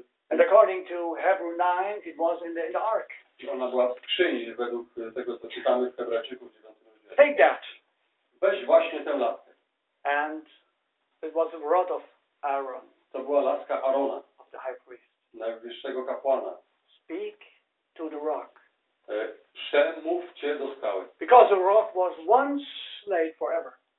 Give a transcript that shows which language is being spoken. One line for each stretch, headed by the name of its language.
English: And according to Hebrew 9, it was in the ark.
Polish: I ona była w skrzyni, według tego, co czytamy w Hebrajczyku 9.
English: Take that.
Polish: Weź właśnie tę laskę.
English: And it was the rod of Aaron.
Polish: To była laska Aarona.
English: Of the high priest.
Polish: Najwyższego kapłana.
English: Speak to the rock.
Polish: Przemówcie do skały.
English: Because the rock was once laid forever.